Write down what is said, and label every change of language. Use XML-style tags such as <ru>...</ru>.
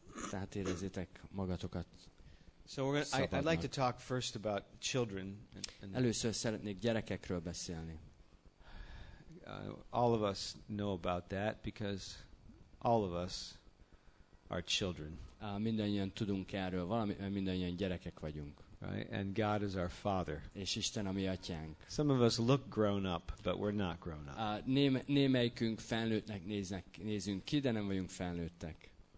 <hu>Tehát érezzétek magatokat.</hu> <en>So I'd like to talk first about children.</en> <hu>Először szeretnék gyerekekről beszélni.</hu> <en>All of us know about that because all of us are children.</en> <hu>Mindannyian tudunk erről, mindannyian gyerekek vagyunk.</hu> <en>Right? And God is our father.</en> <hu>És Isten a mi atyánk.</hu> <en>Some of us look grown up, but we're not grown up.</en> <hu>Némelyikünk felnőttnek nézünk ki, de nem vagyunk felnőttek.</hu>